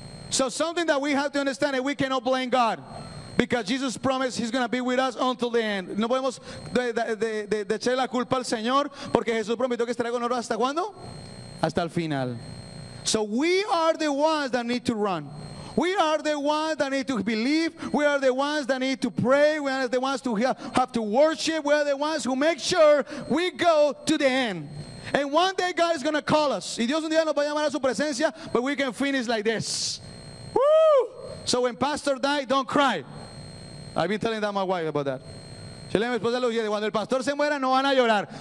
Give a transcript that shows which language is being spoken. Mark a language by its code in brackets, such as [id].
[en] So something that we have to understand, and we cannot blame God. Because Jesus promised he's going to be with us until the end. [es] No podemos de echar la culpa al Señor, porque Jesús prometió que estará con nosotros hasta cuándo? Hasta el final. [en] So we are the ones that need to run. We are the ones that need to believe. We are the ones that need to pray. We are the ones to have to worship. We are the ones who make sure we go to the end. And one day God is going to call us. [es] Y Dios un día nos va a llamar a su presencia, [en] but we can finish like this. Woo! So when pastor died, don't cry. I've been telling that my wife about that. [es] Se le a mi esposa Lucía, cuando el pastor se muera no van a llorar.